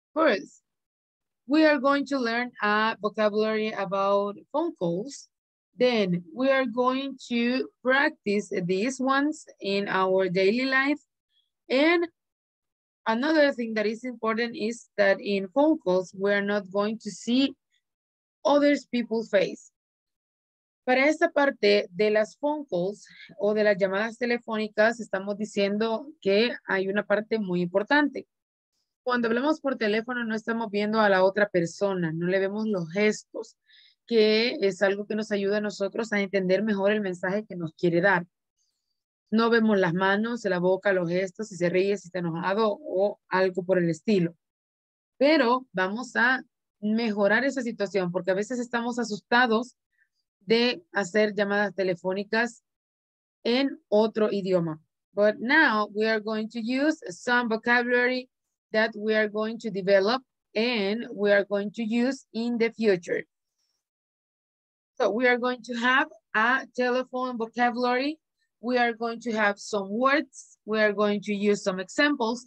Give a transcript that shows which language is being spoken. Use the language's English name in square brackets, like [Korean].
[English] First, we are going to learn a vocabulary about phone calls. Then we are going to practice these ones in our daily life. And another thing that is important is that in phone calls, we are not going to see other people's face. [Spanish] Para esta parte de las phone calls o de las llamadas telefónicas, estamos diciendo que hay una parte muy importante. Cuando hablamos por teléfono, no estamos viendo a la otra persona, no le vemos los gestos, que es algo que nos ayuda a nosotros a entender mejor el mensaje que nos quiere dar. No vemos las manos, la boca, los gestos, si se ríe, si está enojado o algo por el estilo. Pero vamos a mejorar esa situación porque a veces estamos asustados de hacer llamadas telefónicas en otro idioma. [English] But now we are going to use some vocabulary that we are going to develop and we are going to use in the future. So we are going to have a telephone vocabulary. We are going to have some words. We are going to use some examples.